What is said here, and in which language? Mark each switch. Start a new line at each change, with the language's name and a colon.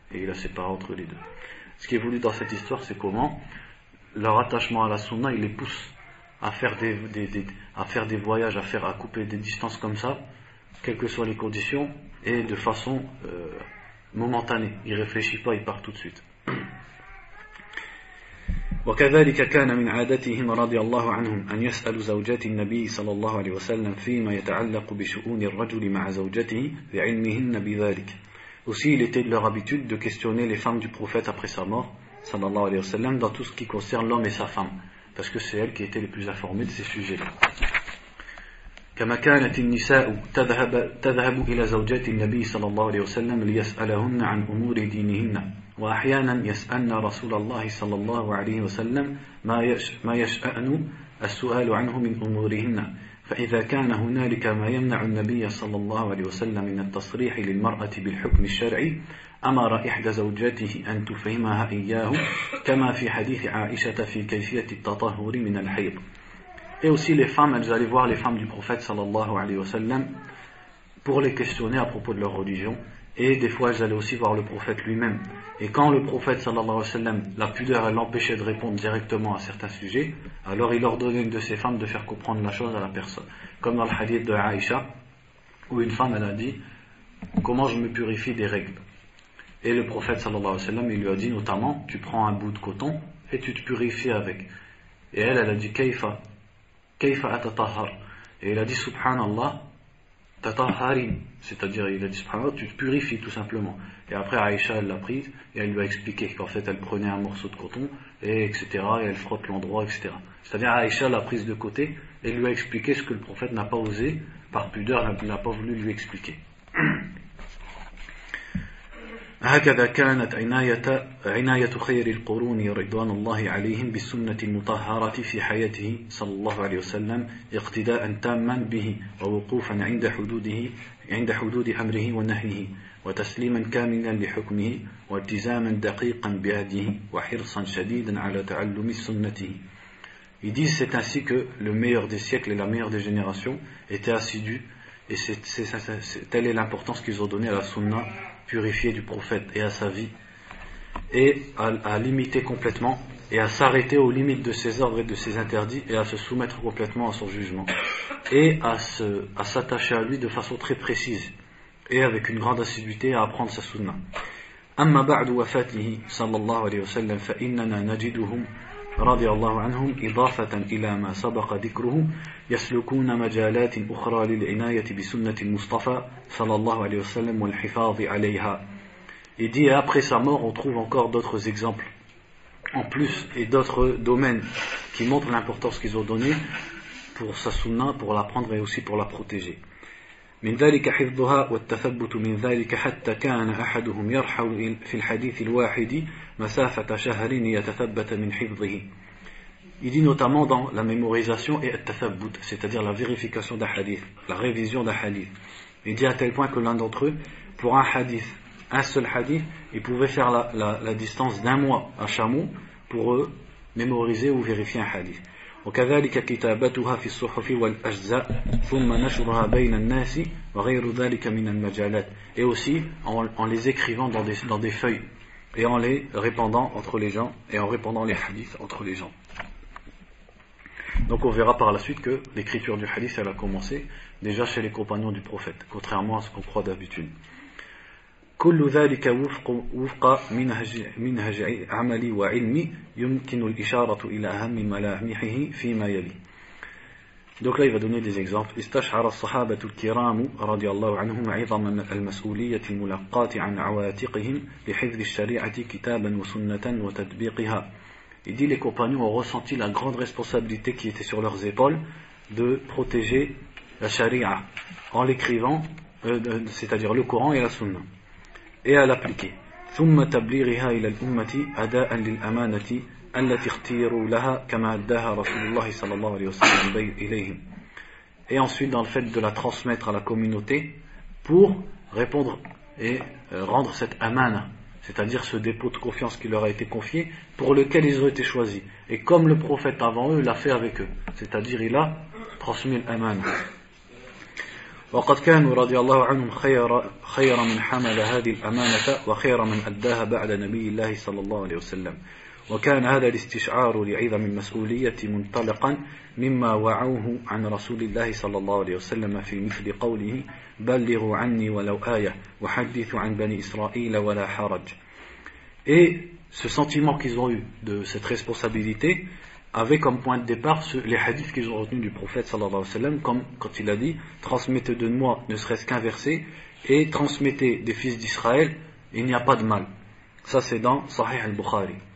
French: Et il a séparé entre les deux. Ce qui est voulu dans cette histoire, c'est comment leur attachement à la sunna, il les pousse à faire des voyages, à couper des distances comme ça, quelles que soient les conditions, et de façon momentanée. Il ne réfléchit pas, il part tout de suite.
Arabic: وكذلك كان من عادتهم رضي الله عنهم أن يسأل زوجات النبي صلى الله عليه وسلم فيما يتعلق بشؤون الرجل مع زوجته لعلمهن بذلك.
French: Aussi, il était de leur habitude de questionner les femmes du prophète après sa mort,
Arabic: صلى الله عليه وسلم,
French: dans tout ce qui concerne l'homme et sa femme, parce que c'est elles qui étaient les plus informées de ces sujets-là.
Arabic: كما كانت النساء تذهب إلى زوجات النبي صلى الله عليه وسلم ليسألهن عن أمور دينهن. وأحيانا يسألنا رسول الله صلى الله عليه وسلم ما يشأن السؤال عنه من أمورهن فإذا كان هنالك ما يمنع النبي صلى الله عليه وسلم من التصريح للمرأة بالحكم الشرعي أمر إحدى زوجاته أن تفهمها إياه كما في حديث عائشة في كيفية التطهر من الحيض.
French: Et aussi les femmes, elles allaient voir les femmes du prophète
Arabic: صلى الله عليه وسلم
French: pour les questionner à propos de leur religion. Et des fois, elles allaient aussi voir le prophète lui-même. Et quand le prophète,
Arabic: sallallahu alayhi wa sallam,
French: la pudeur, elle l'empêchait de répondre directement à certains sujets, alors il ordonnait une de ses femmes de faire comprendre la chose à la personne. Comme dans le hadith de Aïcha, où une femme, elle a dit, comment je me purifie des règles? Et le prophète,
Arabic: sallallahu alayhi wa sallam,
French: il lui a dit notamment, tu prends un bout de coton et tu te purifies avec. Et elle, elle a dit,
Arabic: kayfa, kayfa atatahar.
French: Et il a dit,
Arabic: subhanallah, tatahharim.
French: C'est-à-dire, il a dit, subhanallah, tu te purifies tout simplement. Et après, Aïcha, elle l'a prise et elle lui a expliqué qu'en fait, elle prenait un morceau de coton, et etc., et elle frotte l'endroit, etc. C'est-à-dire, Aïcha l'a prise de côté et lui a expliqué ce que le prophète n'a pas osé, par pudeur, n'a pas voulu lui expliquer.
Arabic: هكذا كانت عناية خير القرون رضوان الله عليهم بالسنة المطهرة في حياته صلى الله عليه وسلم اقتداء تاما به ووقوفا عند حدود أمره ونهيه وتسليما كاملا لحكمه والتزاما دقيقا بهديه وحرصا شديدا على تعلم سنته.
French: Ils disent, c'est ainsi que le meilleur des siècles et la meilleure des générations étaient assidus, et telle est l'importance qu'ils ont donnée à la sunna purifié du prophète et à sa vie, et à limiter complètement, et à s'arrêter aux limites de ses ordres et de ses interdits, et à se soumettre complètement à son jugement, et à s'attacher à lui de façon très précise, et avec une grande assiduité à apprendre sa sunna.
Arabic: Amma ba'du wafatihi, sallallahu alayhi wa sallam, fa innana najiduhum, radiallahu anhum, idafatan ila ma sabaka dhikruhum, يسلكون مجالات أخرى للعناية بسنة المصطفى صلى الله عليه وسلم والحفاظ عليها.
French: Il dit, après sa mort, on trouve encore d'autres exemples en plus et d'autres domaines qui montrent l'importance qu'ils ont donnée pour sa sunna, pour l'apprendre et aussi pour la protéger.
Arabic: من ذلك حفظها والتثبت من ذلك حتى كان أحدهم يرحل في الحديث الواحد مسافة شهر يتثبت من حفظه.
French: Il dit notamment dans la mémorisation et at-tathabbut, c'est-à-dire la vérification d'un hadith, la révision d'un hadith. Il dit à tel point que l'un d'entre eux, pour un hadith, un seul hadith, il pouvait faire la distance d'un mois à Chamou pour eux mémoriser ou vérifier un hadith.
Arabic: وكذلك كتابتها في الصحف والأجزاء ثم نشرها بين الناس وغير ذلك من المجالات.
French: Et aussi en les écrivant dans des feuilles et en les répandant entre les gens et en répandant les hadiths entre les gens. Donc on verra par la suite que l'écriture du hadith elle a commencé déjà chez les compagnons du prophète, contrairement à ce qu'on croit d'habitude.
Arabic: كل ذلك وفق منهج عملي وعلمي يمكن الإشارة إلى أهم ملامحه فيما يلي.
French: Donc là, il va donner des exemples.
Arabic: استشعر الصحابة الكرام رضي الله عنهم عظم المسؤولية الملقاة عن عواتقهم لحفظ الشريعة كتابا وسنة وتطبيقها.
French: Il dit, les compagnons ont ressenti la grande responsabilité qui était sur leurs épaules de protéger la charia en l'écrivant, c'est-à-dire le Coran et la Sunna, et à l'appliquer.
Arabic: ثم تبليغها إلى الأمة أداء للأمانة التي اختيروا لها كما أداها رسول الله صلى الله عليه وسلم إليهم.
French: Et ensuite, dans le fait de la transmettre à la communauté pour répondre et rendre cette amana, c'est-à-dire ce dépôt de confiance qui leur a été confié, pour lequel ils ont été choisis. Et comme le prophète avant eux l'a fait avec eux, c'est-à-dire il a transmis l'amana.
Arabic: وقد كانوا رضي الله عنهم خير من حمل هذه الأمانة وخير من أداها بعد نبي الله صلى الله عليه وسلم وكان هذا الاستشعار لعظم المسؤولية منطلقا مما وعوه عن رسول الله صلى الله عليه وسلم في مثل قوله بلغوا عني ولو آية وحدثوا عن بني إسرائيل ولا حرج.
French: Et ce sentiment qu'ils ont eu de cette responsabilité avait comme point de départ les hadiths qu'ils ont retenus du prophète
Arabic: sallallahu alayhi wa sallam,
French: comme quand il a dit « Transmettez de moi ne serait-ce qu'un verset, et transmettez des fils d'Israël, il n'y a pas de mal. » Ça c'est dans Sahih al-Bukhari.